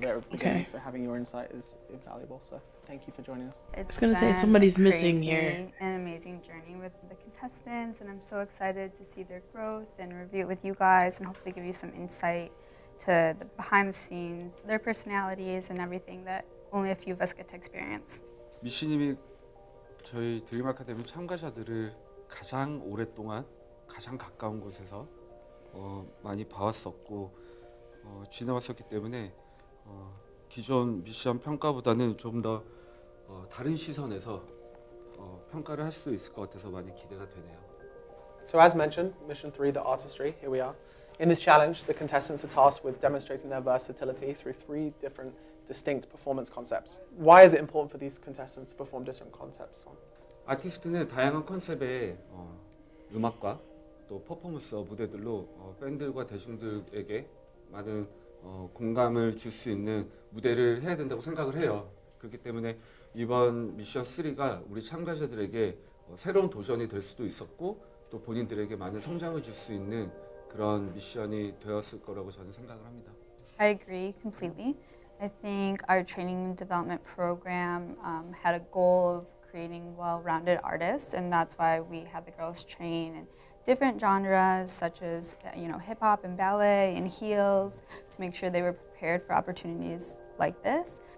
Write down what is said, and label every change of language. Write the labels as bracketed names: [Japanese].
[English] the very beginning. Okay. So having your insight is invaluable. So thank you for joining us. I was gonna say somebody's missing here. An amazing journey with the contestants, and I'm so excited to see their growth and review it with you guys and hopefully give you some insight to the behind the scenes, their personalities and everything that only a few of us get to experience. [Korean] Missy 님이 저희 드림 아카데미 참가자들을 가장 오랫동안 가장 가까운 곳에서 많이 봐왔었고 지나왔었기 때문에 기존 미션 평가보다는 좀 더 다른 시선에서 평가를 할 수 있을 것 같아서 많이 기대가 되네요. [English] So as mentioned, mission 3, the artistry, here we are. In this challenge, the contestants are tasked with demonstrating their versatility through three different distinct performance concepts. Why is it important for these contestants to perform different concepts? [Korean] 아티스트는 다양한 컨셉의 음악과 또 퍼포먼스 무대들로 팬들과 대중들에게 많은 공감을 줄 수 있는 무대를 해야 된다고 생각을 해요. 그렇기 때문에 이번 미션 3가 우리 참가자들에게 새로운 도전이 될 수도 있었고 또 본인들에게 많은 성장을 줄 수 있는 그런 미션이 되었을 거라고 저는 생각을 합니다. [English] I agree completely. I think our training and development program had a goal of creating well-rounded artists, and that's why we had the girls train and different genres such as, you know, hip hop and ballet and heels to make sure they were prepared for opportunities like this.